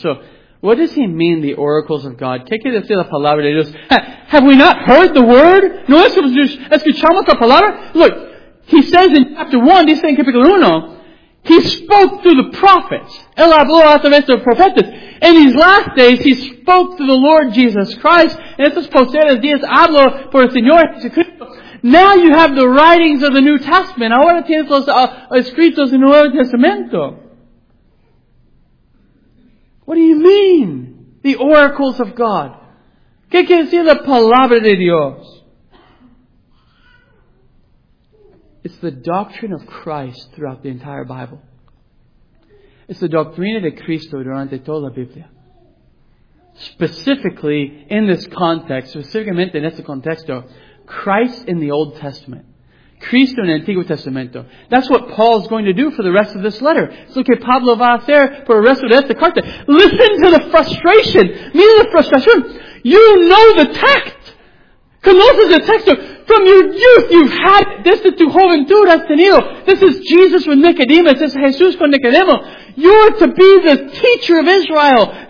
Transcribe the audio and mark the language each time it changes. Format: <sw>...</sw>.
<en>So, what does he mean, the oracles of God?</en> <es>¿Qué quiere decir la palabra de Dios?</es> <en>Have we not heard the word?</en> <es>¿No escuchamos la palabra?</es> <en>Look, he says in chapter 1,</en> <es>dice en capítulo 1,</es> <en>he spoke through the prophets.</en> <es>Él habló a través de los profetas.</es> <en>In his last days, he spoke through the Lord Jesus Christ.</en> <es>En estos posteriores días, habló por el Señor Jesucristo.</es> <en>Now you have the writings of the New Testament.</en> <es>Ahora tienes los escritos del Nuevo Testamento.</es> <en>What do you mean? The oracles of God.</en> <es>¿Qué quiere decir la palabra de Dios?</es> <en>It's the doctrine of Christ throughout the entire Bible. It's the</en> <es>doctrina de Cristo durante toda la Biblia.</es> <en>specifically in this context,</en> <es>specificamente en este contexto,</es> <en>Christ in the Old Testament.</en> <es>Cristo en el Antiguo Testamento.</es> <en>That's what Paul's going to do for the rest of this letter.</en> <es>Es lo que Pablo va a hacer por el resto de esta carta.</es> <en>Listen to the frustration.</en> <es>Mira la frustración.</es> <en>You know the text.</en> <es>Conoces el texto.</es> <en>From your youth, you've had this</en> <es>de tu juventud has tenido.</es> <en>This is Jesus with Nicodemus. This is Jesús</en> <es>con Nicodemo.</es> <en>You're to be the teacher of Israel.</en>